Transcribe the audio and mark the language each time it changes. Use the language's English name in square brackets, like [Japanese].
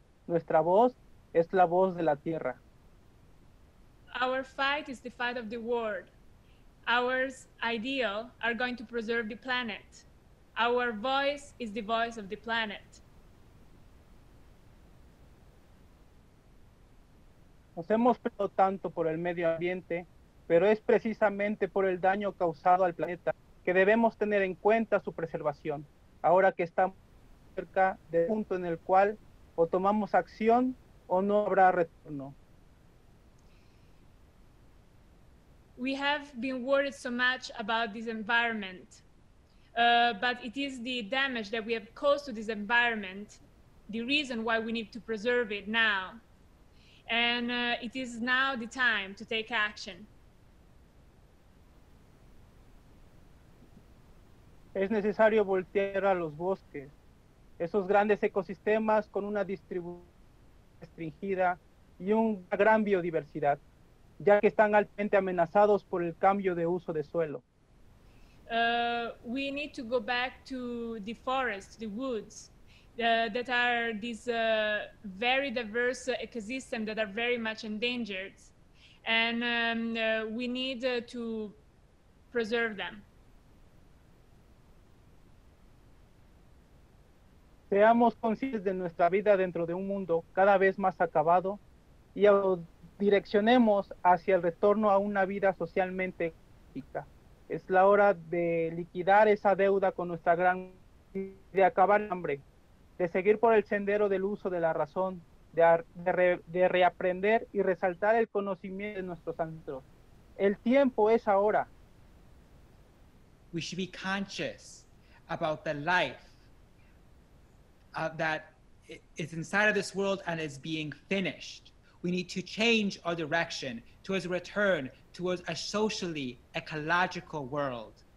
[Spanish] Nuestra voz es la voz de la tierra. [English] Our fight is the fight of the world. Our ideal are going to preserve the planet. Our voice is the voice of the planet. [Spanish] Nos hemos peleado tanto por el medio ambiente, pero es precisamente por el daño causado al planeta que debemos tener en cuenta su preservación, ahora que estamos cerca del punto en el cual o tomamos acción o no habrá retorno. [English] We have been worried so much about this environment, but it is the damage that we have caused to this environment, the reason why we need to preserve it now. And it is now the time to take action. [Spanish] Es necesario voltear a los bosques, esos grandes ecosistemas con una distribución restringida y una gran biodiversidad, ya que están altamente amenazados por el cambio de uso de suelo. [English] We need to go back to the forest, the woods, that are these very diverse ecosystems that are very much endangered, and we need to preserve them. [Spanish] Seamos conscientes de nuestra vida dentro de un mundo cada vez más acabado y direccionemos hacia el retorno a una vida socialmente ética. Es la hora de liquidar esa deuda con nuestra gran... de acabar el hambre, de seguir por el sendero del uso de la razón, de reaprender y resaltar el conocimiento de nuestros ancestros. El tiempo es ahora. [English] We should be conscious about the life that is inside of this world and is being finished. We need to change our direction towards a return towards a socially ecological world.